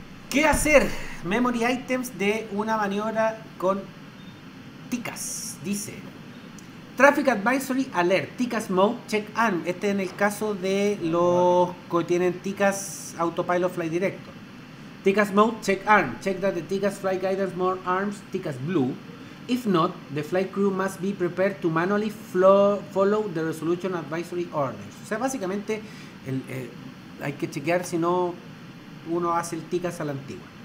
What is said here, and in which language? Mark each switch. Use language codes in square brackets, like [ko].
[es] ¿Qué hacer? Memory items de una maniobra con ticket. Dice. [en] Traffic Advisory Alert, TICAS Mode Check On. [es] Este es en el caso de los que tienen TICAS Autopilot Flight Director. [en] TICAS Mode Check On. Check that the TICAS Flight Guidance Mode Arms TICAS Blue. If not, the flight crew must be prepared to manually follow the Resolution Advisory Orders. [es] O sea, básicamente hay que chequear si no uno hace el TICAS a la antigua.